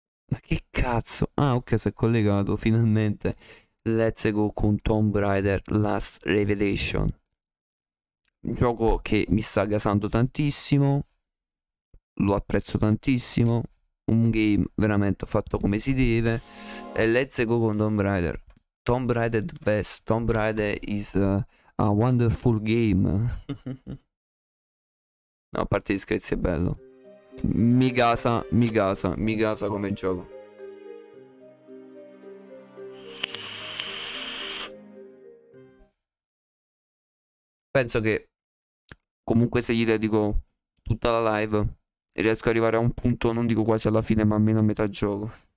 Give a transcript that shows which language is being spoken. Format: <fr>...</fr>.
<it>Ma che cazzo? Ah, ok, si è collegato finalmente.</it> <en>Let's go</en> <it>con Tomb Raider Last Revelation. Un gioco che mi sta gasando tantissimo. Lo apprezzo tantissimo. Un game veramente fatto come si deve. E</it> <en>let's go</en> <it>con Tomb Raider. Tomb Raider</it> <en>the best. Tomb Raider is a wonderful game.</en> <it>No, a parte gli scherzi, è bello. Mi gasa come gioco. Penso che comunque se gli dedico tutta la live riesco ad arrivare a un punto, non dico quasi alla fine, ma almeno a metà gioco.</it>